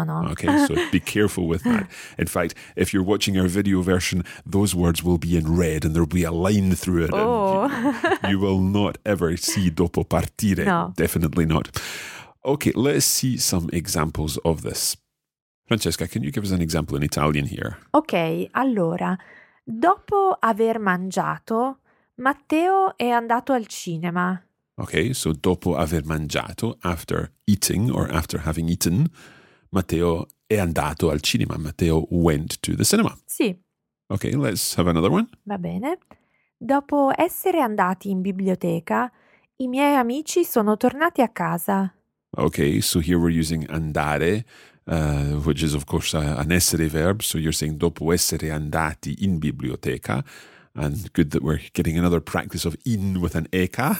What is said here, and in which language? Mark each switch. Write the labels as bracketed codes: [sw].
[en] Okay, so be careful with that. In fact, if you're watching our video version, those words will be in red and there'll be a line through it. Oh. You will not ever see [it] dopo partire. [en] No. Definitely not. Okay, let's see some examples of this. Francesca, can you give us an example in Italian here? [it] Okay, allora... Dopo aver mangiato, Matteo è andato al cinema. [en] Okay, so [it] dopo aver mangiato, [en] after eating or after having eaten, [it] Matteo è andato al cinema. [en] Matteo went to the cinema. [it] Sì. [en] Okay, let's have another one. [it] Va bene. Dopo essere andati in biblioteca, i miei amici sono tornati a casa. [en] Okay, so here we're using andare. Which is, of course, an essere verb. So you're saying [it] dopo essere andati in biblioteca. [en] And good that we're getting another practice of in with an eca.